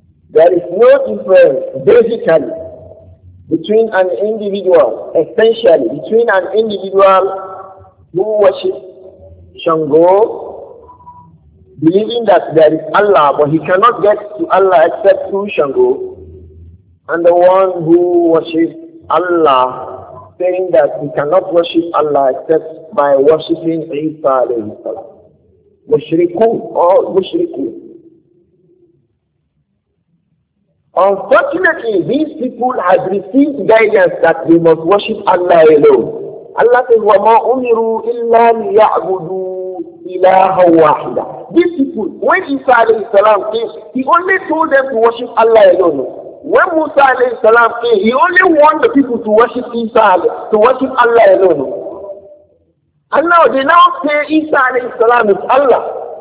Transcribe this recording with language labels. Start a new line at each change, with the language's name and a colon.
English: There is no difference, basically, between an individual, essentially, between an individual who worships Shango, believing that there is Allah, but he cannot get to Allah except through Shango, and the one who worships Allah, saying that he cannot worship Allah except by worshipping Isa alayhi salam. Mushrikun or mushrikun. Unfortunately, these people have received guidance that they must worship Allah alone. Allah says,
Arabic: وَمَا أُمِرُوا إِلَّا لِيَعْبُدُوا إِلَهًا وَاحِدًا.
English: These people people. When Isa alayhi salam came, he only told them to worship Allah alone. When Musa alayhi salam came, he only warned the people to worship Isa, to worship Allah alone. And now they now say Isa alayhi salam is Allah.